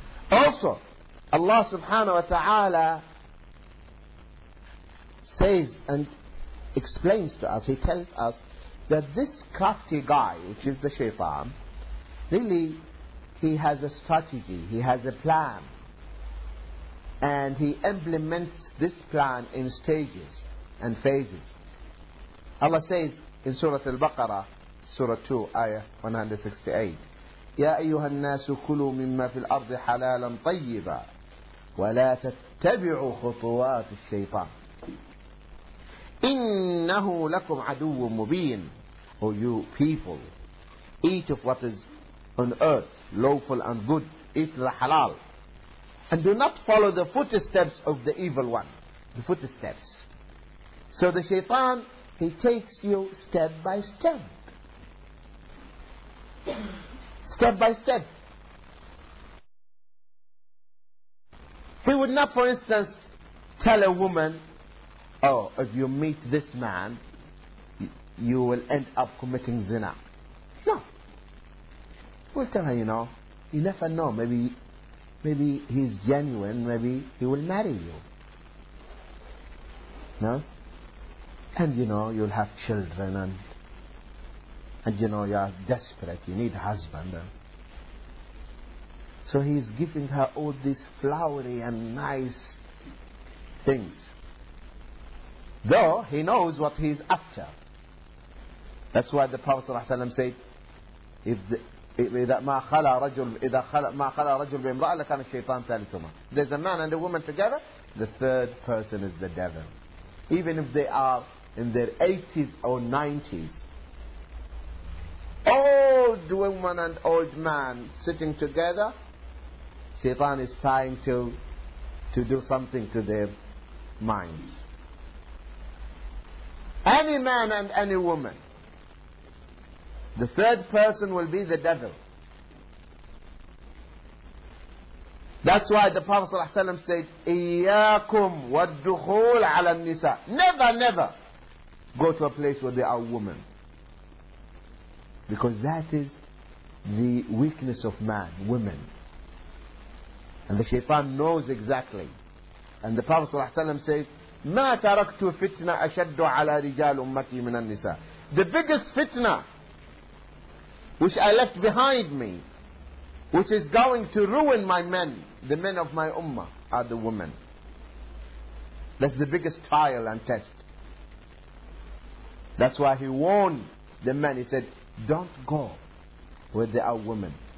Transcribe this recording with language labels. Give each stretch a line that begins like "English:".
English: Also, Allah subhanahu wa ta'ala says and explains to us, he tells us that this crafty guy, which is the shaitan, really, he has a strategy, he has a plan. And he implements this plan in stages and phases. Allah says in Surah Al-Baqarah, Surah 2, Ayah 168,
Arabic: يَا أَيُّهَا النَّاسُ كُلُوا مِمَّا فِي الْأَرْضِ حَلَالًا طَيِّبًا وَلَا تَتَّبِعُوا خُطُوَاتِ الشَّيْطَانِ إِنَّهُ لَكُمْ عَدُوٌ مُبِينٌ.
English: O you people, eat of what is on earth, lawful and good, eat the halal. And do not follow the footsteps of the evil one. The footsteps. So the shaitan He takes you step by step. Step by step. He would not, for instance, tell a woman, oh, if you meet this man, you will end up committing zina. No. He would tell her, you know, you never know, maybe he's genuine, maybe he will marry you. No? And you know, you'll have children, and you know, you're desperate, you need a husband. So he's giving her all these flowery and nice things. Though he knows what he's after. That's why the Prophet ﷺ said,
Arabic: إذا ما خلا رجل بامرأة لكان الشيطان ثالثهما.
English: There's a man and a woman together, the third person is the devil. Even if they are in their 80s or 90s. Old woman and old man sitting together, Shaitan is trying to do something to their minds. Any man and any woman, the third person will be the devil. That's why the Prophet ﷺ said,
Arabic: إِيَّاكُمْ وَالدُّخُولَ عَلَى النِّسَى.
English: Never, never go to a place where there are women. Because that is the weakness of man, women. And the shaitan knows exactly. And the Prophet ﷺ says,
Arabic: مَا تَرَكْتُ فِتْنَةً أَشَدُّ عَلَى رِجَالِ أُمَّتِي مِنَ النِّسَاءِ.
English: The biggest fitna which I left behind me, which is going to ruin my men, the men of my ummah, are the women. That's the biggest trial and test. That's why he warned the men. He said, don't go where there are women.